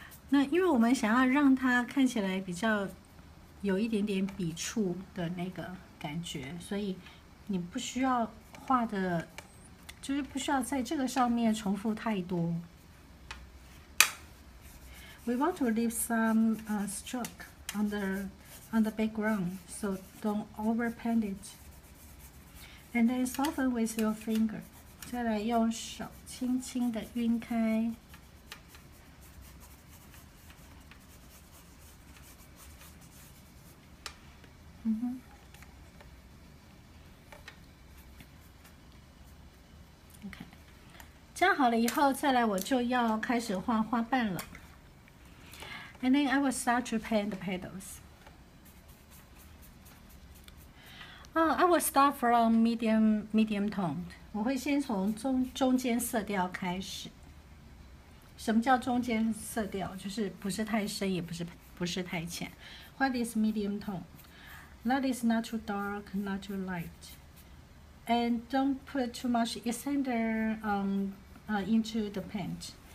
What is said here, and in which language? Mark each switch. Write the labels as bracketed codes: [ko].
[zh] 那因为我们想要让它看起来比较有一点点笔触的那个感觉，所以你不需要画的。就是不需要在这个上面重复太多。 [en] We want to leave some stroke on the background, so don't overpaint it. And then soften with your finger. [zh] 再来用手轻轻的晕开。加好了以后，再来我就要开始画花瓣了。 [en] And then I will start to paint the petals. I will start from medium tone. [zh] 我会先从中间色调开始。什么叫中间色调？就是不是太深，也不是太浅。 [en] What is medium tone? That is not too dark, not too light. And don't put too much extender into the paint.